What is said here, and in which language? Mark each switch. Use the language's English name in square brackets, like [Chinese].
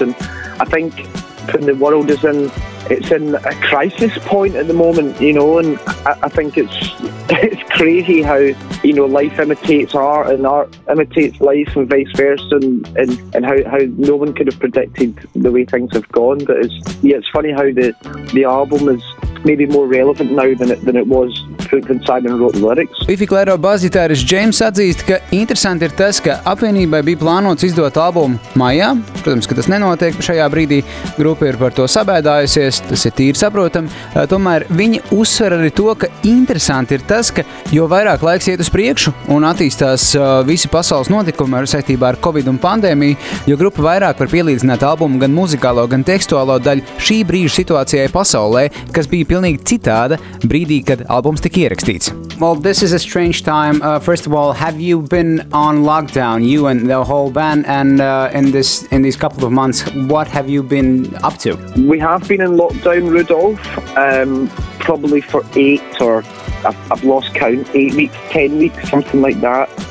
[English] And I think when the world is in, it's in a crisis point at the moment, you know, and I think it's crazy how, you know, life imitates art and art imitates life and vice versa, and how no one could have predicted the way things have gone. But it's funny how the album is maybe more relevant now than it was when Simon wrote the lyrics. [Latvian] Bifi Klēro bas-gitāris James atzīst, ka interesanti ir tas, ka apvienībai bija plānots izdot albumu maijā. Protams, ka tas nenotiek šajā brīdī. Grupa ir par to sabēdājusies, tas ir tīri saprotam. Tomēr viņa uzsver arī to, ka interesanti ir tas, ka jo vairāk laiks iet uz priekšu un attīstās visi pasaules notikumi ar saistībā ar Covid un pandēmiju, jo grupa vairāk var pielīdzināt albumu gan muzikālo, gan tekstuālo daļu šī brīža situācijai pasaulē, kas bija pilnīgi citāda brīdī, kad albums tika ierakstīts. [English] Well, this is a strange time. First of all, have you been on lockdown, you and the whole band, and in these couple of months, what have you been up to? We have been in lockdown, Rudolph, probably for 8 or I've lost count, 8 weeks, 10 weeks, something like that.